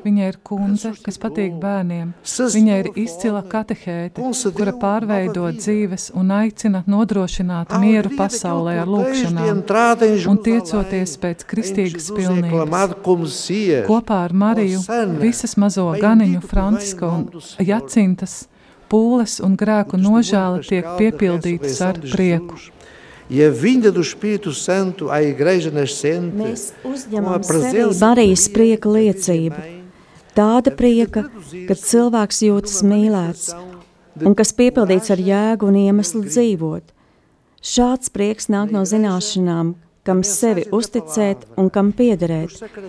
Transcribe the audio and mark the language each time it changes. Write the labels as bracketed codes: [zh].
[lv] Viņa ir kundze, kas patīk bērniem. Viņa ir izcila katehēte, kura pārveido dzīves un aicina nodrošināt mieru pasaulē ar lūkšanām un tiecoties pēc kristīgas pilnības. Kopā ar Mariju visas mazo ganiņu Francisko un Jacintas pūles un grēku nožēle tiek piepildītas ar prieku. [pt] E a vinda do Espírito Santo à igreja nascente, uma presença [lv] tāda prieka, kad cilvēks jūtas mīlēts un kas piepildīts ar jēgu un iemeslu dzīvot. Šāds prieks nāk no zināšanām, kam sevi uzticēt un kam piederēt.